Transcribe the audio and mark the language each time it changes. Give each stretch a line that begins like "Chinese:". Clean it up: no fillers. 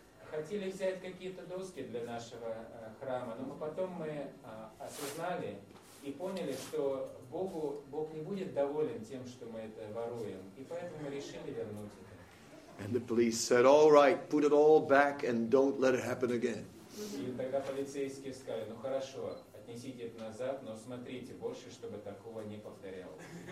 Russian: Хотели взять какие-то доски для нашего храма, но потом мы осознали и поняли, что Бог не будет доволен тем, что мы это воруем, и поэтому мы решили вернуть это.
English: And the police said, all right, put it all back and don't let it happen again.
Russian: И тогда полицейские сказали, ну хорошо, отнесите это назад, но смотрите больше, чтобы такого не повторялось.